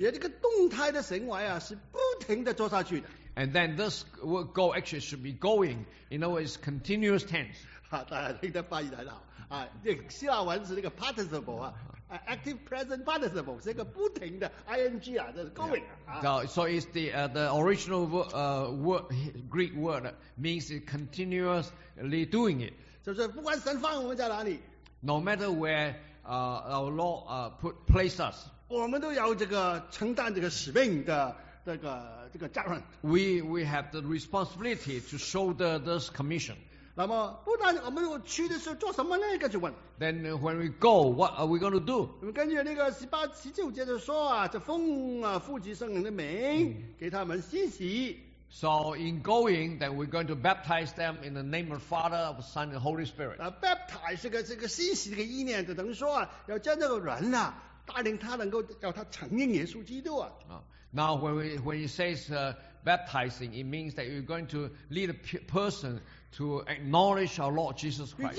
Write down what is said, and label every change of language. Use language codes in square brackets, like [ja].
[zh] 也这个动态的行为是不停的做下去的。 [en] And then this word go actually should be going. In other words, continuous tense. [zh] 大家听得翻译很好。希腊文是那个 participle, active present participle, 是一个不停的 ing, 这是 going. [en] Yeah. So it's the original word, Greek word means continuously doing it. [zh] 就是不管神放我们在哪里, [en] no matter where our Lord place us, [zh] 我们都要这个承担这个使命的。 [en] We have the responsibility to shoulder this commission. Then when we go, what are we going to do? [zh] 根据那个十八、十九节的说啊，这奉父、及圣灵的名给他们施洗。 [en] So in going, then we're going to baptize them in the name of the Father, of the Son, and the Holy Spirit. [zh] Baptize这个施洗这个意念，就等于说啊，要将这个人啊，带领他能够叫他承认耶稣基督啊。 [en] Now, when he says baptizing, it means that you're going to lead a person to acknowledge our Lord Jesus Christ.